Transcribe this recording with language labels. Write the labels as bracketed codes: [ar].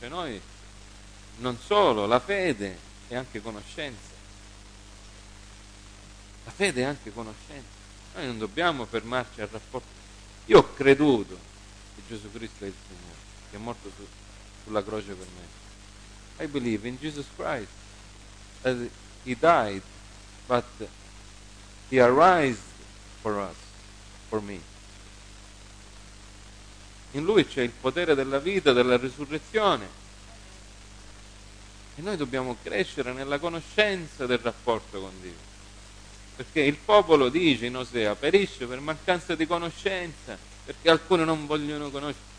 [it] Cioè noi, non solo, la fede è anche conoscenza. La fede è anche conoscenza. Noi non dobbiamo fermarci al rapporto. Io ho creduto che Gesù Cristo è il Signore, che è morto sulla croce per me. [en] I believe in Jesus Christ. That he died, but he arised for us. for me. [it] In Lui c'è il potere della vita, della risurrezione. E noi dobbiamo crescere nella conoscenza del rapporto con Dio. Perché il popolo, dice in Osea, perisce per mancanza di conoscenza, perché alcuni non vogliono conoscere.